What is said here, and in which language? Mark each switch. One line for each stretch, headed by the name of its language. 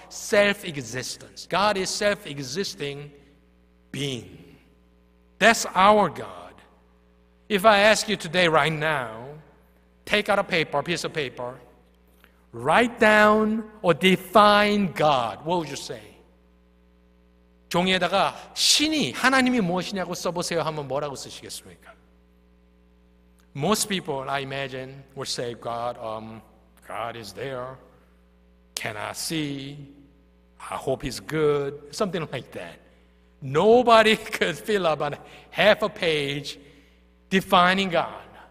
English: Self-existence. God is self-existing being. That's our God. If I ask you today, right now, take out a paper, a piece of paper, write down or define God, what would you say?
Korean: 종이에다가 신이, 하나님이 무엇이냐고 써보세요 하면 뭐라고 쓰시겠습니까?
English: Most people, I imagine, would say, God is there. Can I see? I hope he's good. Something like that. Nobody could fill up on half a page defining God.